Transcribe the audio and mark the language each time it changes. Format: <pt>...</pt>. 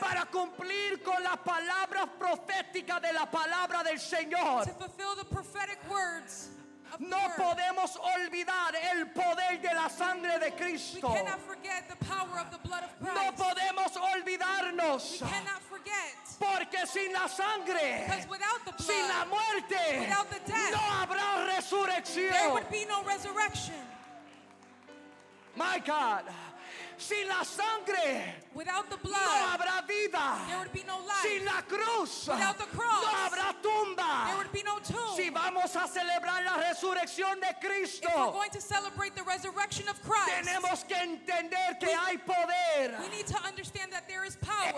<es>Para cumplir con la palabra profética de la palabra del Señor.</es> <en>To fulfill the prophetic words.</en> <es>No podemos olvidar el poder de la sangre de Cristo.</es> <en>We cannot forget the power of the blood of Christ.</en> <es>No podemos olvidarnos.</es> <en>We cannot forget.</en> <es>Porque sin la sangre,</es> <en>because without the blood,</en> <es>sin la muerte,</es> <en>without the death,</en> <es>no habrá resurrección.</es> <en>There would be no resurrection. My God.</en> <es>Sin la sangre,</es> <en>without the blood,</en> <es>no habrá vida.</es> <en>There would be no life.</en> <es>Sin la cruz,</es> <en>without the cross,</en> <es>no habrá tumba.</es> <en>There would be no tomb.</en> <es>Si vamos a celebrar la resurrección de Cristo,</es> <en>if we're going to celebrate the resurrection of Christ,</en> <es>tenemos que entender que hay poder.</es> <en>We need to understand that there is power</en>